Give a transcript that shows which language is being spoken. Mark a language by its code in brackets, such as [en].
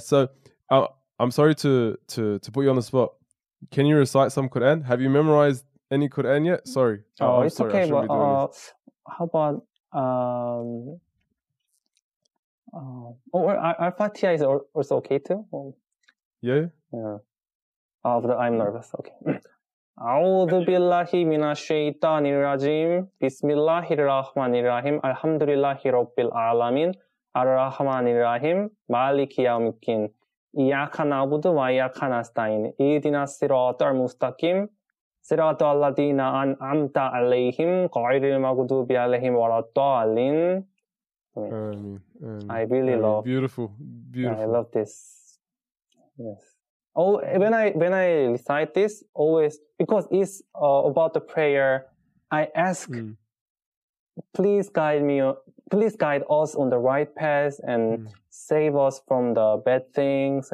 [en] So I'm sorry to put you on the spot. Can you recite some Quran? Have you memorized any Quran yet? Sorry. Okay. But how about Al-Fatiha is also okay too? Yeah. Although I'm nervous. Okay. [ar] أعوذ بالله من الشيطان الرجيم بسم الله الرحمن الرحيم الحمد لله رب العالمين الرحمن الرحيم مالك يوم الدين إياك نعبد وإياك نستعين إهدنا الصراط المستقيم صراط الذين أنعمت عليهم غير المغضوب عليهم ولا الضالين آمين. [en] I really love beautiful I love this when I recite this, always, because it's about the prayer, I ask, please guide us on the right path and save us from the bad things.